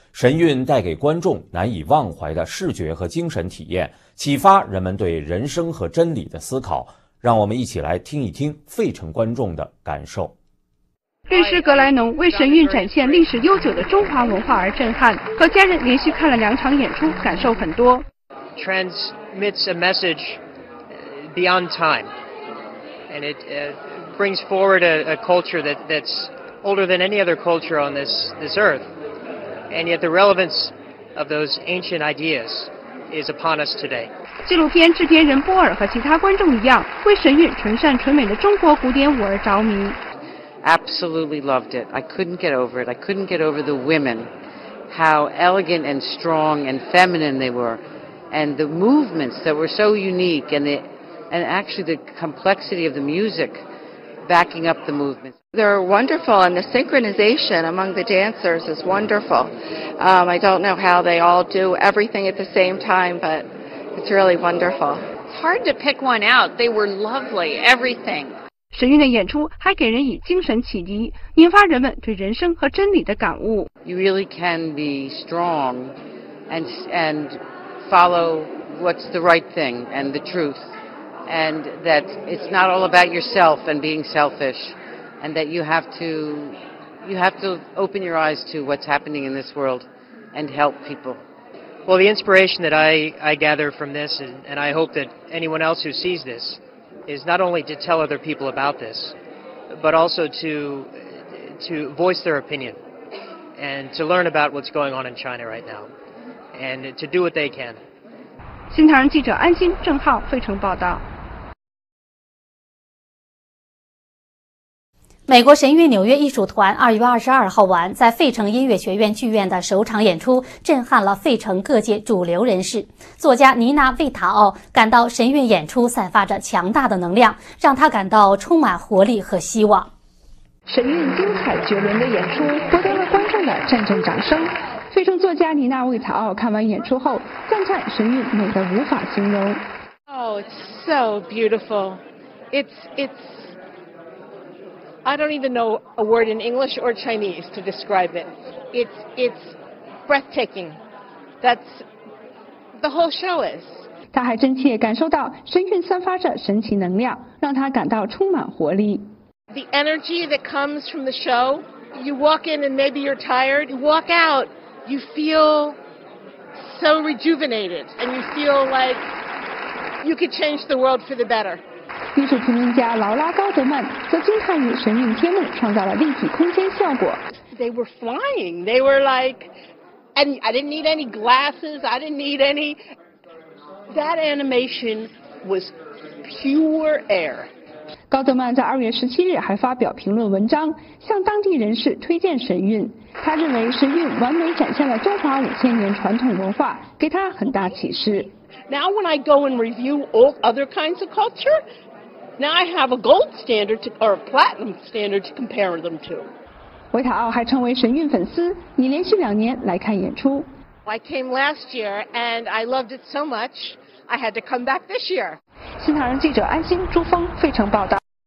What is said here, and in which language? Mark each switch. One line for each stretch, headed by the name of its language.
Chinese: 神韵带给观众难以忘怀的视觉和精神体验，启发人们对人生和真理的思考。让我们一起来听一听费城观众的感受。律师格莱农为神韵展现历史悠久的中华文化而震撼，和家人连续看了两场演出，感受很多。
English: Transmits a message beyond time, and it brings forward a culture that's older than any other culture on this earth, and yet the relevance of those ancient ideas is upon us today.
Chinese: 纪录片制片人波尔和其他观众一样，为神韵纯善纯美的中国古典舞而着迷。
English: Absolutely loved it. I couldn't get over it. I couldn't get over the women, how elegant and strong and feminine they were, and the movements that were so unique, and actually the complexity of the music backing up the movements. They're wonderful, and the synchronization among the dancers is wonderful. I don't know how they all do everything at the same time, but. It's really wonderful. It's hard to pick one out. They were lovely, everything.
Chinese: 神韵的演出还给人以精神启迪，引发人们对人生和真理的感悟。
English: You really can be strong and follow what's the right thing and the truth. And that it's not all about yourself and being selfish. And that you have to open your eyes to what's happening in this world and help people. Well, the inspiration that I gather from this, and I hope that anyone else who sees this, is not only to tell other people about this, but also to voice their opinion and to learn about what's going on in China right now and to do what they can.
Chinese: 新唐人记者安心、郑浩，费城报道。美国神韵纽约艺术团2月22号晚在费城音乐学院剧院的首场演出震撼了费城各界主流人士。作家妮娜·魏塔奥感到神韵演出散发着强大的能量，让她感到充满活力和希望。神韵精彩绝伦的演出获得了观众的阵阵掌声。费城作家妮娜·魏塔奥看完演出后赞叹神韵美得无法形容。
English: Oh, it's so beautiful. It's I don't even know a word in English or Chinese to describe it. It's breathtaking. That's the whole show is.
Chinese: 他还真切感受到神韵散发着神奇能量，让他感到充满活力。
English: The energy that comes from the show, you walk in and maybe you're tired, you walk out, you feel so rejuvenated and you feel like you could change the world for the better.
Chinese: 艺术评论家劳拉·高德曼则惊叹于神韵天幕创造了立体空间效果。
English: They were flying, they were like, and I didn't need any glasses, I didn't need any... That animation was pure air.
Chinese: 高德曼在二月十七日还发表评论文章，向当地人士推荐神韵。他认为神韵完美展现了中华五千年传统文化，给他很大启示。
English: Now when I go and review all other kinds of culture, now I have a gold standard to, or a platinum standard to compare them to.
Chinese: 维塔奥还成为神韵粉丝，已连续两年来看演出。
English: I came last year and I loved it so much, I had to come back this year.
Chinese: 新唐人记者安心、朱峰，费城报道。